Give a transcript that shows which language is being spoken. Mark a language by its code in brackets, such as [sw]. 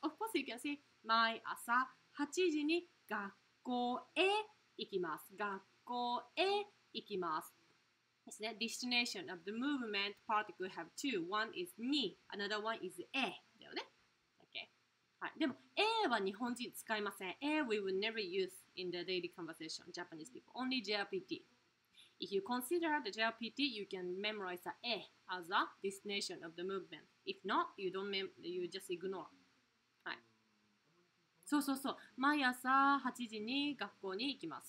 [ja] Of course, you can say, 毎朝8時に学校へ行きます。学校へ行きます。ですね。 [en] Destination of the movement particle have two. One is me, another one is A. だよね。 Okay. はい。 [ja] でも A は日本人使いません。 [en] A we will never use in the daily conversation Japanese people. Only JLPT. If you consider the JLPT, you can memorize the A as a destination of the movement. If not, you don't you just ignore. はい。そうそうそう。 [ja] 毎朝8時に学校に行きます。